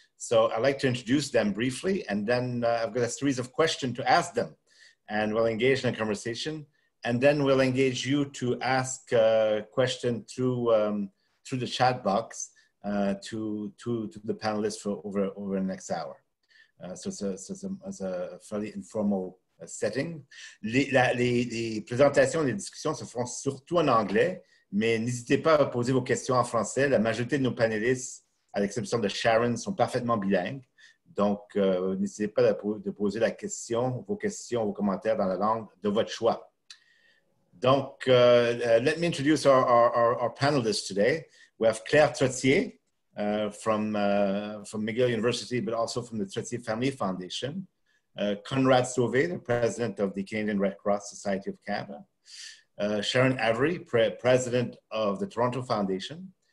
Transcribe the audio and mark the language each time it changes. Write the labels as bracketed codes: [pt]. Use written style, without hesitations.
[en] So I'd like to introduce them briefly, and then I've got a series of questions to ask them, and we'll engage in a conversation. And then we'll engage you to ask a question through the chat box to the panelists for over the next hour. So it's a fairly informal setting. [fr] Les présentations, les discussions se font surtout en anglais, mais n'hésitez pas à poser vos questions en français. La majorité de nos panélistes, à l'exception de Sharon, sont parfaitement bilingues. Donc, n'hésitez pas de poser la question, vos questions, vos commentaires dans la langue de votre choix. Donc, [en] let me introduce our panelists today. We have Claire Trottier from McGill University, but also from the Trottier Family Foundation. Conrad Sauvé, the president of the Canadian Red Cross Society of Canada. Sharon Avery, president of the Toronto Foundation.